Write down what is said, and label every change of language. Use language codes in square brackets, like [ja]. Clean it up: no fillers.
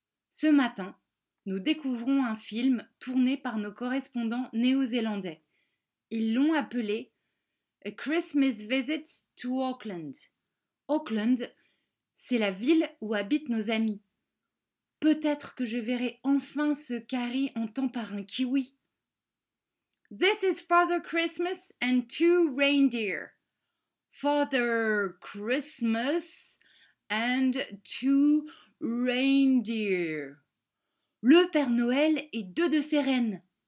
[fr] Ce matin, nous découvrons un film tourné par nos correspondants néo-zélandais. Ils l'ont appelé A Christmas Visit to Auckland. Auckland, c'est la ville où habitent nos amis. Peut-être que je verrai enfin ce curry en temps par un kiwi. [en] This is Father Christmas and two reindeer. Father Christmas and two reindeer. [fr] Le Père Noël et deux de ses rennes.